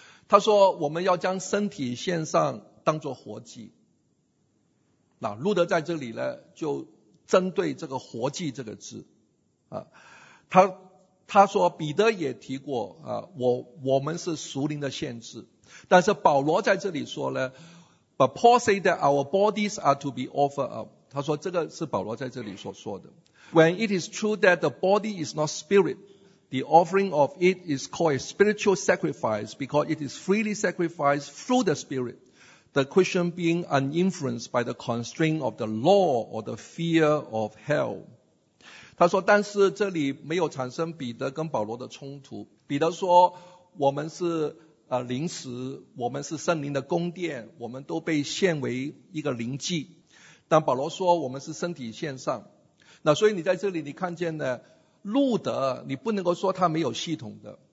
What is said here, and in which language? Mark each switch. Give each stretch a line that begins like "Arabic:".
Chinese: 他说我们要将身体献上当作活祭。路德在这里呢就针对这个活祭这个字。他说彼得也提过我们是属灵的献祭。但是保罗在这里说呢，
English: But Paul said that our bodies are to be offered up.
Chinese: 他说这个是保罗在这里所说的。
English: When it is true that the body is not spirit, the offering of it is called a spiritual sacrifice because it is freely sacrificed through the spirit. The Christian being uninfluenced by the constraint of the law or the fear of hell.
Chinese: 他说但是这里没有产生彼得跟保罗的冲突。彼得说我们是灵食，我们是圣灵的宫殿，我们都被献为一个灵祭。但保罗说我们是身体献上。那所以你在这里你看见呢，路德你不能够说他没有系统的。